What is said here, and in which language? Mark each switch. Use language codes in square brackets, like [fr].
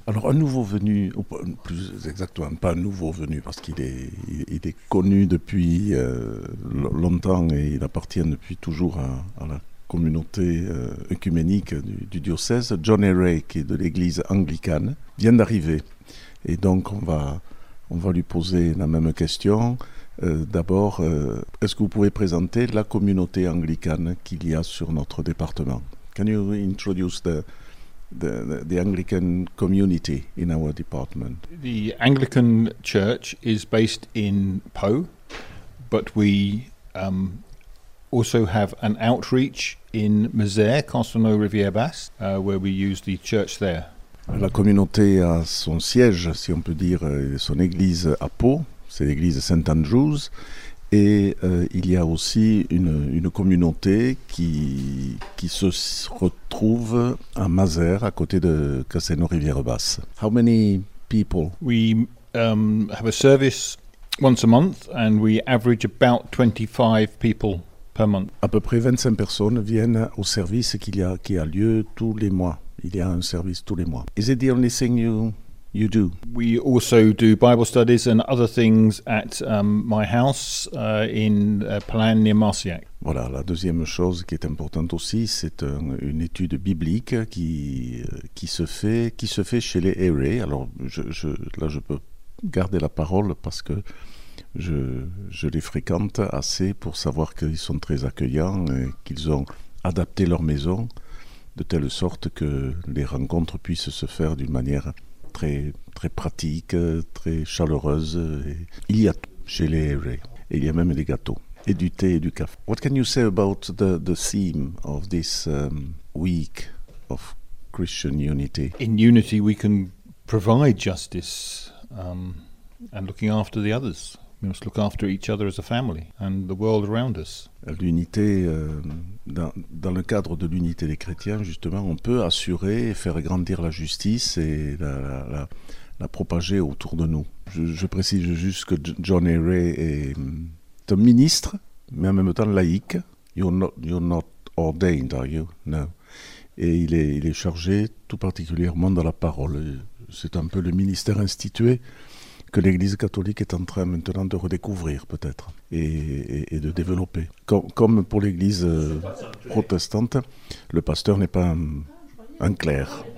[fr] Alors un nouveau venu, ou plus exactement, pas un nouveau venu, parce qu'il est connu depuis longtemps et il appartient depuis toujours à la communauté œcuménique du diocèse, John Herray, qui est de l'église anglicane, vient d'arriver. Et donc on va lui poser la même question. D'abord, est-ce que vous pouvez présenter la communauté anglicane qu'il y a sur notre département? [en] Can you introduce the Anglican community in our department? The Anglican Church is based in Pau, but we also have an outreach in Mazères, Castelnau-Riviere-Basse, where we use the church there. [fr] La communauté a son siège, si on peut dire, son église à Pau, c'est l'église St. Andrews. Et il y a aussi une communauté qui se retrouve à Mazères, à côté de Casseno-Rivière-Basse. [en] How many people? We have a service once a month and we average about 25 people per month. [fr] À peu près 25 personnes viennent au service qui a lieu tous les mois. Il y a un service tous les mois. [en] Is it the only thing you do? We also do Bible studies and other things at my house in Plan near Marciac. [fr] Voilà, la deuxième chose qui est importante aussi, c'est une étude biblique qui se fait chez les Airy. Alors je peux garder la parole parce que je les fréquente assez pour savoir qu'ils sont très accueillants et qu'ils ont adapté leur maison de telle sorte que les rencontres puissent se faire d'une manière très, très pratique, très chaleureuse. Et il y a tout chez les Airy. Et il y a même des gâteaux, et du thé et du café. [en] What can you say about the theme of this week of Christian unity? In unity, we can provide justice and looking after the others. We must look after each other as a family and the world around us. [fr] L'unité, dans le cadre de l'unité des chrétiens, justement, on peut assurer et faire grandir la justice et la propager autour de nous. Je précise juste que John Airy est un ministre, mais en même temps laïque. [en] You're not ordained, are you? No. [fr] Et il est chargé tout particulièrement de la parole. C'est un peu le ministère institué que l'Église catholique est en train maintenant de redécouvrir, peut-être, et de développer. Comme pour l'Église protestante, le pasteur n'est pas un clerc.